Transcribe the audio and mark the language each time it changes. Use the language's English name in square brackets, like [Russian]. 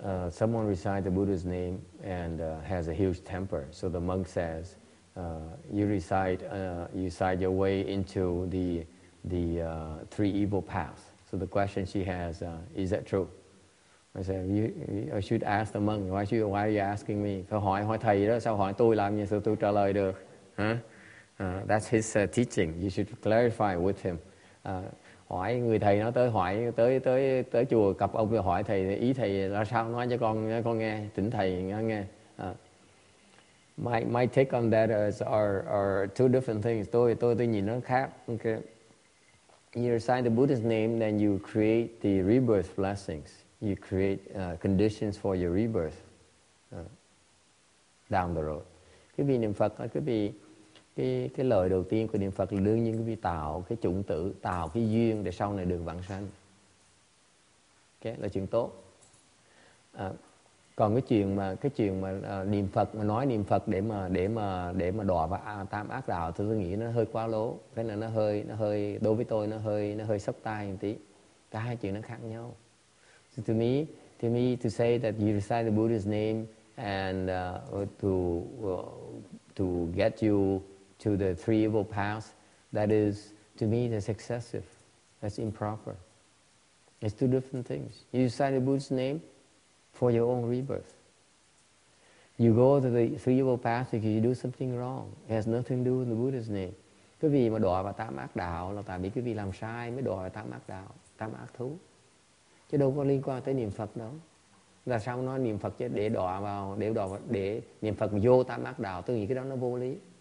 [English] Someone recites the Buddha's name and has a huge temper. So the monk says, you recite your way into the three evil paths. So the question she has, is that true? I said, I should ask the monk, why are you asking me? [Vietnamese] Phải hỏi hỏi thầy đó, sao hỏi tôi làm gì sao tôi trả lời được? [English] That's his teaching. You should clarify with him. [Vietnamese] Hỏi người thầy nó tới hỏi tới tới tới chùa gặp ông hỏi thầy ý thầy là sao nói cho con nghe tỉnh thầy nghe. [English] My take on that is are two different things. [Vietnamese] Tôi nhìn nó khác. [English] Okay. You recite the Buddha's name, then you create the rebirth blessings. You create conditions for your rebirth down the road. [Vietnamese] Cái vị niệm Phật, cái vị cái lời đầu tiên của niệm Phật là đương nhiên cái vị tạo cái chủng tử, tạo cái duyên để sau này được vãng sanh. Okay, là chuyện tốt. Còn cái chuyện mà niệm Phật mà nói niệm Phật để mà đọa vào tam ác đạo, tôi nghĩ nó hơi quá lố. Cái này nó hơi đối với tôi nó hơi sốc tai một tí. Cả hai chuyện nó khác nhau. [English] So to me, to say that you recite the Buddha's name and to get you to the three evil paths, that is, to me, that's excessive. That's improper. It's two different things. You recite the Buddha's name for your own rebirth. You go to the three evil paths because you do something wrong. It has nothing to do with the Buddha's name. [Vietnamese] Cái vì mà đọa vào tám ác đạo là tại vì cái vì làm sai mới đọa vào tám ác đạo, tám ác thú. Chứ đâu có liên quan tới niệm Phật đâu. Là sao nói niệm Phật chứ để đọa vào, để niệm Phật vô tam ác đạo. Tôi nghĩ cái đó nó vô lý.